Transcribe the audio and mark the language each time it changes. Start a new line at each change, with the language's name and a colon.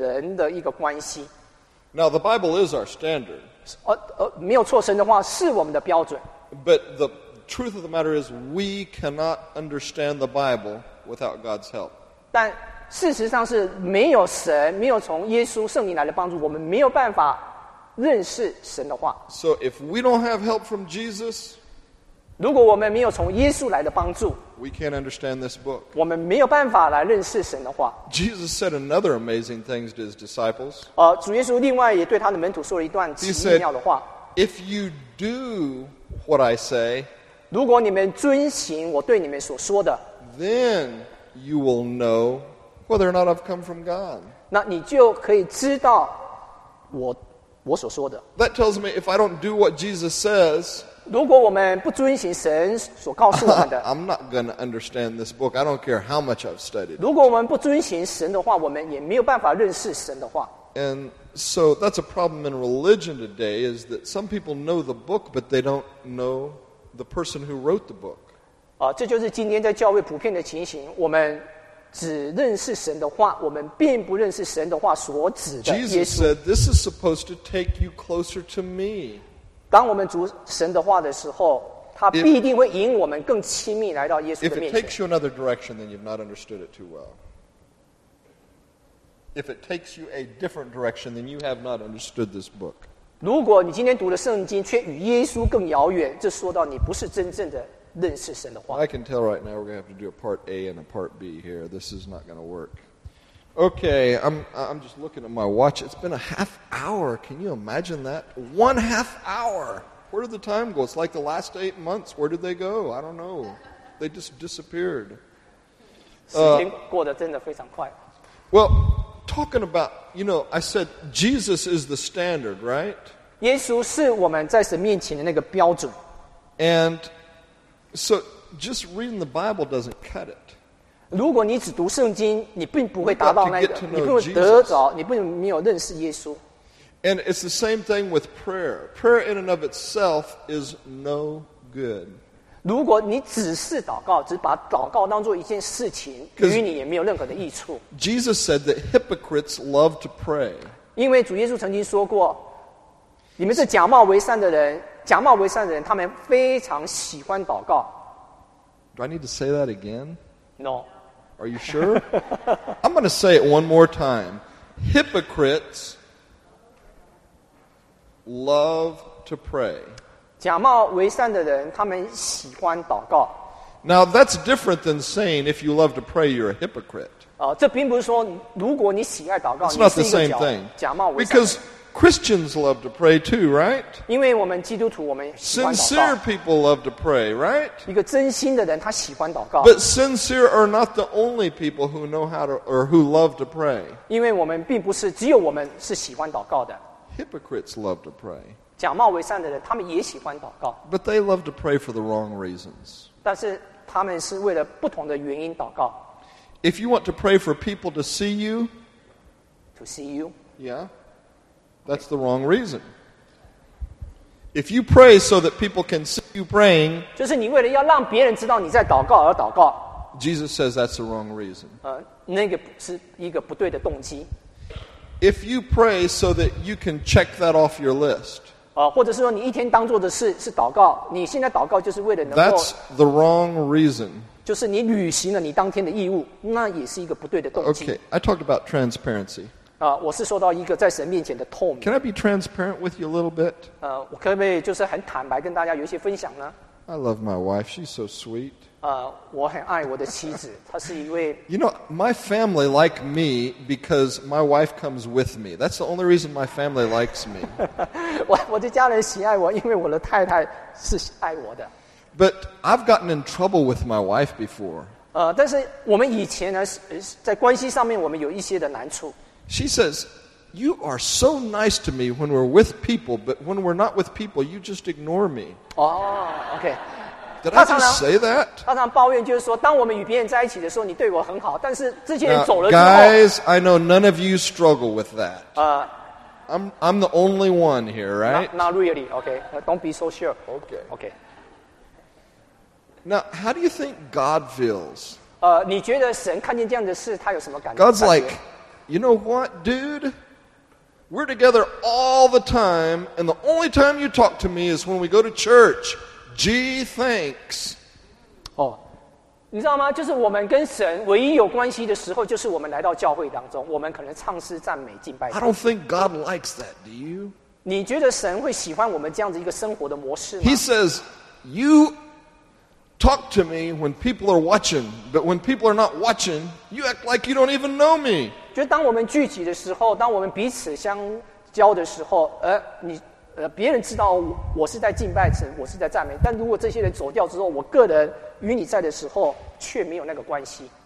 Chinese: 当然，我们讲到祷告的时候，同样的，我们并不是只讲到圣经里面的话语，乃是我们与耶稣这一个人的一个关系。
English: Now the Bible is our standard.
Chinese: 没有错，神的话是我们的标准。
English: But the truth of the matter is, we cannot understand the Bible without God's help.
Chinese: 但事实上是没有神，没有从耶稣圣灵来的帮助，我们没有办法认识神的话。
English: So if we don't have help from Jesus.
Chinese: 如果我们没有从耶稣来的帮助,
English: we can't understand this book.
Chinese: 我们没有办法来认识神的话。
English: Jesus said another amazing thing to his disciples.
Chinese: 主耶稣另外也对他的门徒说了一段奇妙的话。
English: He said, if you do what I say,
Chinese: 如果你们遵行我对你们所说的,
English: then you will know whether or not I've come from God.
Chinese: 那你就可以知道我所说的。
English: That tells me if I don't do what Jesus says,
Chinese: 如果我们不遵行神所告诉我们的,
English: I'm not going to understand this book. I don't care how much I've studied.
Chinese: 如果我们不遵行神的话, 我们也没有办法认识神的话。
English: And so that's a problem in religion today, is that some people know the book, but they don't know the person who wrote the book.
Chinese: 这就是今天在教会普遍的情形。我们只认识神的话, 我们并不认识神的话所指的耶稣。
English: Jesus said, this is supposed to take you closer to me.
Chinese: 当我们读神的话的时候, 祂必定会引我们更亲密来到耶稣的面前。
English: If it takes you another direction, then you've not understood it too well. If it takes you a different direction, then you have not understood this book.
Chinese: 如果你今天读了圣经, 却与耶稣更遥远, 这说到你不是真正的认识神的话。
English: I can tell right now we're going to have to do a part A and a part B here. This is not going to work. Okay, I'm just looking at my watch. It's been a half hour. Can you imagine that? One half hour. Where did the time go? It's like the last 8 months. Where did they go? I don't know. They just disappeared. Well, talking about, you know, I said Jesus is the standard, right?
Chinese: 耶稣是我们在神面前的那个标准。
English: And so just reading the Bible doesn't cut it.
Chinese: 如果你只读圣经, 你并不会达到那个，你不会得着, 你并没有认识耶稣。
English: And it's the same thing with prayer. Prayer in and of itself is no good.
Chinese: 如果你只是祷告, 只把祷告当作一件事情, 与你也没有任何的益处。
English: Jesus said that hypocrites love to pray.
Chinese: 因为主耶稣曾经说过, 你们是假冒为善的人, 假冒为善的人, 他们非常喜欢祷告。
English: Do I need to say that again? No. Are you sure? I'm going to say it one more time. Hypocrites love to pray.
Chinese: 假冒为善的人, 他们喜欢祷告。
English: Now that's different than saying if you love to pray, you're a hypocrite.
Chinese: 这并不是说如果你喜爱祷告,
English: it's not the same thing. Because Christians love to pray too, right?
Chinese: 因为我们基督徒, 我们喜欢祷告。
English: Sincere people love to pray, right?
Chinese: 一个真心的人, 他喜欢祷告。
English: But sincere are not the only people who know how to, or who love to pray.
Chinese: 因为我们并不是, 只有我们是喜欢祷告的。
English: Hypocrites love to pray.
Chinese: 假冒为善的人, 他们也喜欢祷告。
English: But they love to pray for the wrong reasons.
Chinese: 但是他们是为了不同的原因祷告。
English: If you want to pray for people to see you, to see you, yeah, that's the wrong reason. If you pray so that people can see you praying,
Chinese: 就是你为了要让别人知道你在祷告而祷告,
English: Jesus says that's the wrong reason.
Chinese: 那个是一个不对的动机。
English: If you pray so that you can check that off your list,
Chinese: 或者是说你一天当做的事是祷告, 你现在祷告就是为了能够,
English: that's the wrong reason.
Chinese: 就是你履行了你当天的义务, 那也是一个不对的动机。
English: Okay, I talked about transparency.
Chinese: 我是说到一个在神面前的透明。
English: Can I be transparent with you a little bit?
Chinese: 我可不可以就是很坦白跟大家有一些分享呢?
English: I love my wife. She's so sweet.
Chinese: 我很爱我的妻子，她是一位。
English: You know, my family like me because my wife comes with me. That's the only reason my family likes me.
Chinese: 我的家人喜爱我，因为我的太太是爱我的。
English: But I've gotten in trouble with my wife before.
Chinese: 但是我们以前呢，在关系上面我们有一些的难处。
English: She says, "You are so nice to me when we're with people, but when we're not with people, you just ignore me." Oh, okay. Did I just say that?
Chinese: 常常抱怨就是说，当我们与别人在一起的时候，你对我很好，但是这些人走了之后。
English: Guys, I know none of you struggle with that. I'm the only one here, right? Not really. Okay. Don't be so sure. Okay. Okay. Now, how do you think God feels?
Chinese: 你觉得神看见这样的事，他有什么感觉？
English: God's like, you know what, dude? We're together all the time, and the only time you talk to me is when we go to church. Gee, thanks.
Chinese: 你知道吗？就是我们跟神唯一有关系的时候，就是我们来到教会当中，我们可能唱诗、赞美、敬拜。
English: I don't think God likes that, do you?
Chinese: 你觉得神会喜欢我们这样子一个生活的模式吗？
English: He says, "You talk to me when people are watching, but when people are not watching, you act like you don't even know me."
Chinese: 就当我们聚集的时候，当我们彼此相交的时候，你。别人知道我是在敬拜神，我是在赞美。但如果这些人走掉之后，我个人与你在的时候却没有那个关系。